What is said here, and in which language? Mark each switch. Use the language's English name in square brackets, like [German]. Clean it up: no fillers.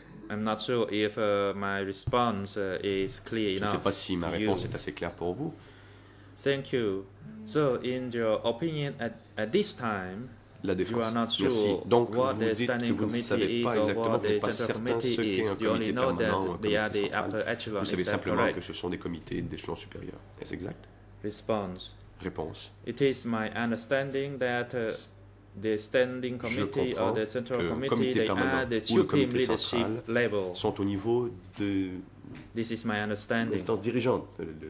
[English] I'm not sure if my response is clear enough. [French] Je ne sais pas si ma réponse est assez claire pour vous. [English] Thank you. So, in your opinion, at this time, [French] la défense. [English] You are not sure. [French] Merci. Donc, [English] what [French] vous dites que vous ne savez pas exactement, vous n'êtes pas certain ce qu'est un comité permanent, un comité central. Vous savez simplement que ce sont des comités d'échelon supérieur. Est-ce exact? [English] Response. [French] Réponse. [English] It is my understanding that the standing committee or the central committee, they are the supreme leadership level. [French] Sont au niveau de. [English] This is my understanding. [French] L'instance dirigeante.